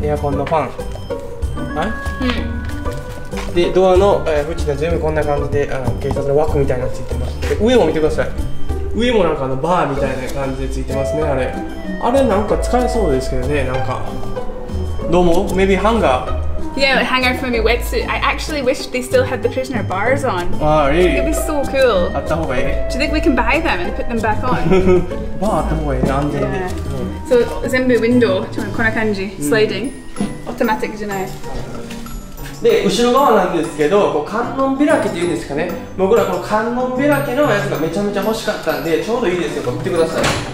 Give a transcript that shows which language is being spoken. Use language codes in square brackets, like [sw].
[ja] エアコンのファン、はい、うん。でドアの縁が全部こんな感じで、警察の枠みたいなのついてます。で上を見てください。上もなんかあのバーみたいな感じでついてますね、あれ。あれなんか使えそうですけどね、なんか。どうも、maybe ハンガー。 [en] Yeah, like hanger for my wetsuit. I actually wish they still had the prisoner bars on. Ah, really? It'd be so cool. [ja] あった方がいい。 [en] Do you think we can buy them and put them back on? [ja] バーあった方がいい、安全に。 [en] Yeah. [ja] So, 全部ウィンドウ、この感じ、スライディング。オートマティックじゃない。で、後ろ側なんですけど、こう観音開きっていうんですかね、僕らこの観音開きのやつがめちゃめちゃ欲しかったんで、ちょうどいいですよ、見てください。